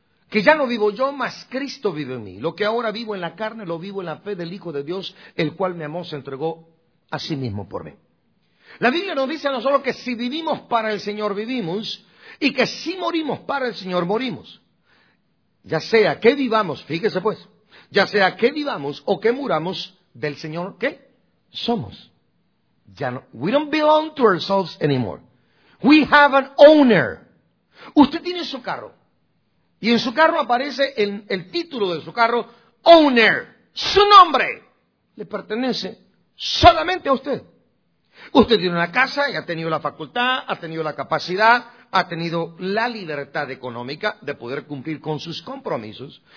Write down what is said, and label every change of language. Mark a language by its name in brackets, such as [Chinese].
[Spanish] Que ya no vivo yo, mas Cristo vive en mí. Lo que ahora vivo en la carne, lo vivo en la fe del Hijo de Dios, el cual me amó, se entregó a sí mismo por mí. La Biblia nos dice a nosotros que si vivimos para el Señor, vivimos, y que si morimos para el Señor, morimos. Ya sea que vivamos, fíjese pues, ya sea que vivamos o que muramos del Señor, ¿qué? Somos. Ya no, [English] we don't belong to ourselves anymore. We have an owner. [Spanish] Usted tiene su carro. Y en su carro aparece el título de su carro, owner, su nombre. Le pertenece solamente a usted. Usted tiene una casa y ha tenido la facultad, ha tenido la capacidad, ha tenido la libertad económica de poder cumplir con sus compromisos.